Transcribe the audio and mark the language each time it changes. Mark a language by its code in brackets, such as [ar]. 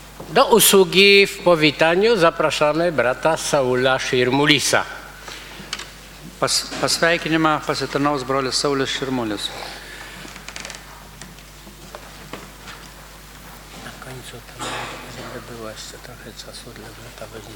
[pl] Do usługi w powitaniu zapraszamy brata Saula Širmulisa. [lt] Pasveikinimą pasitarnaus brolis Saulius Širmulis. [pl] Na końcu było jeszcze trochę czasu dla brata Woźnickiego.